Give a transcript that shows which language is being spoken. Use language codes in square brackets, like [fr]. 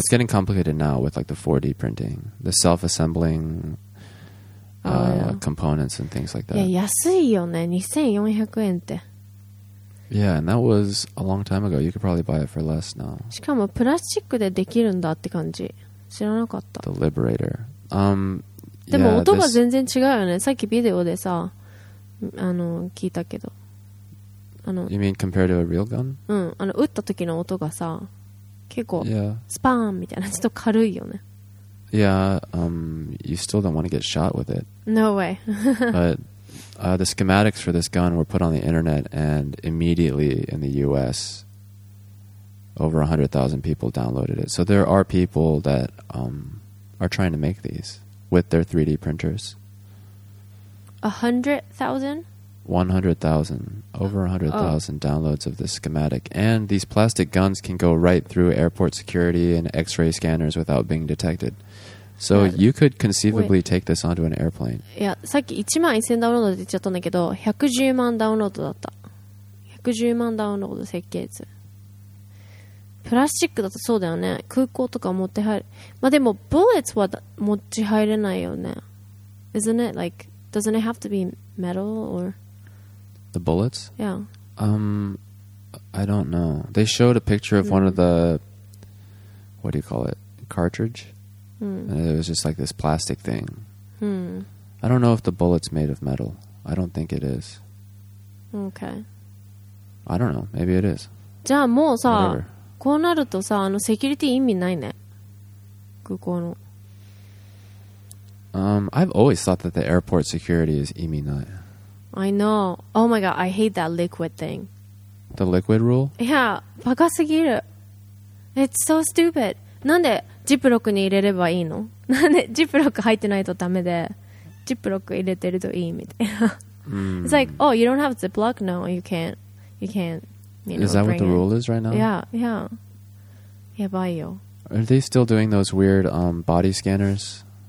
[en] It's getting complicated now with like the 4D printing. The self-assembling components and things like that. [ja] Yeah, 安いよね。2400円って。 [en] Yeah, and that was a long time ago. You could probably buy it for less now. [ja] しかもプラスチックでできるんだって感じ。知らなかった。 [en] The Liberator. [ja] でも音が全然違うよね。さっきビデオでさ、あの聞いたけど、 [en] あの、You mean compared to a real gun? [ja] うん、あの撃った時の音がさ、結構スパーンみたいなちょっと軽いよね。 [en] Yeah, you still don't want to get shot with it. No way. But The schematics for this gun were put on the internet, and immediately in the U.S., over 100,000 people downloaded it. So there are people that are trying to make these with their 3D printers. 100,000? 100,000. Over 100,000 downloads of this schematic. And these plastic guns can go right through airport security and X-ray scanners without being detected. So you could conceivably take this onto an airplane. [ja] Yeah, さっき1万1000ダウンロードって言っちゃったんだけど、110万ダウンロードだった。 110万ダウンロード設計図。プラスチックだとそうだよね。空港とか持って入る。まあでも、bullets は持ち入れないよね。 [en] Isn't it? Like, doesn't it have to be metal or... The bullets? Yeah. I don't know. They showed a picture of one of the... What do you call it? Cartridge? And it was just like this plastic thing. I don't know if the bullet's made of metal. I don't think it is. Okay. I don't know. Maybe it is. [ja] じゃあもうさ、こうなるとさ、あのセキュリティ意味ないね。空港の。 [en] I've always thought that the airport security is [ja] 意味ない。 [en] I know. Oh my god, I hate that liquid thing. The liquid rule? Yeah, [ja] バカすぎる。 [en] It's so stupid. [ja] なんでジップロックに入れればいいの？なんでジップロック入ってないとダメで、ジップロック入れてるといいみたいな。 [en] It's like, oh, you don't have Ziploc? No, you can't. You can't. You know, is that what the rule is right now? Yeah, yeah. [ja] やばいよ。 [en] Are they still doing those weird body scanners?